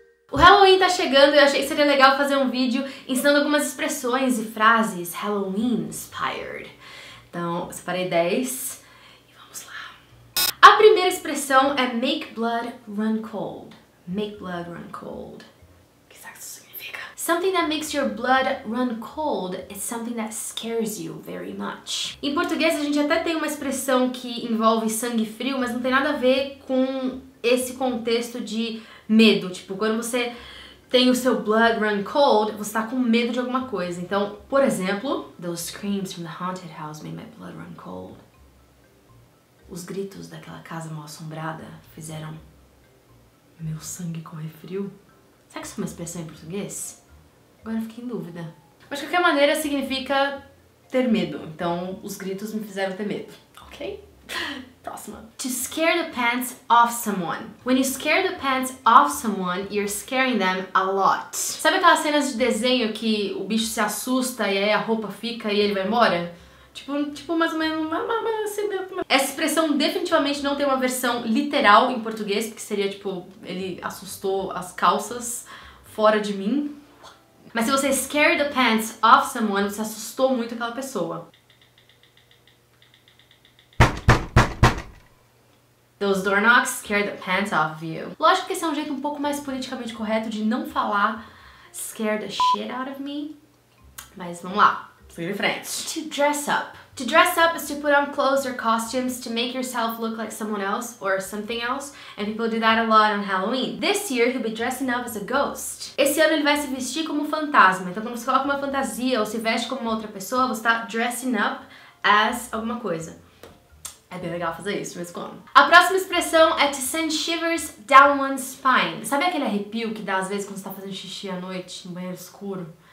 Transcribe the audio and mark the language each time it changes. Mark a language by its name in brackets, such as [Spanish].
[Portuguese] O Halloween tá chegando e eu achei que seria legal fazer um vídeo ensinando algumas expressões e frases Halloween inspired. Então, separei 10 e vamos lá. A primeira expressão é [English] make blood run cold. Make blood run cold. [Portuguese] O que será que isso significa? [English] Something that makes your blood run cold is something that scares you very much. [Portuguese] Em português, a gente até tem uma expressão que envolve sangue frio, mas não tem nada a ver com esse contexto de medo. Tipo, quando você tem o seu [English] blood run cold, [Portuguese] você tá com medo de alguma coisa. Então, por exemplo, [English] those screams from the haunted house made my blood run cold. [Portuguese] Os gritos daquela casa mal-assombrada fizeram meu sangue correr frio. Será que isso é uma expressão em português? Agora eu fiquei em dúvida. Mas de qualquer maneira, significa ter medo. Então, os gritos me fizeram ter medo. Ok? Próxima. [English] To scare the pants off someone. When you scare the pants off someone, you're scaring them a lot. [Portuguese] Sabe aquelas cenas de desenho que o bicho se assusta e aí a roupa fica e ele vai embora? Tipo mais ou menos... Essa expressão definitivamente não tem uma versão literal em português, porque seria tipo, ele assustou as calças fora de mim. Mas se você [English] scare the pants off someone, [Portuguese] você assustou muito aquela pessoa. [English] Those door knocks scare the pants off of you. [Portuguese] Lógico que esse é um jeito um pouco mais politicamente correto de não falar [English] scare the shit out of me. [Portuguese] Mas vamos lá, seguir em frente. [English] To dress up. To dress up is to put on clothes or costumes to make yourself look like someone else or something else. And people do that a lot on Halloween. This year he'll be dressing up as a ghost. [Portuguese] Esse ano ele vai se vestir como fantasma. Então quando você coloca uma fantasia ou se veste como uma outra pessoa, você tá [English] dressing up as [Portuguese] alguma coisa. É bem legal fazer isso, mas como? A próxima expressão é [English] to send shivers down one's spine. [Portuguese] Sabe aquele arrepio que dá às vezes quando você tá fazendo xixi à noite, no banheiro escuro?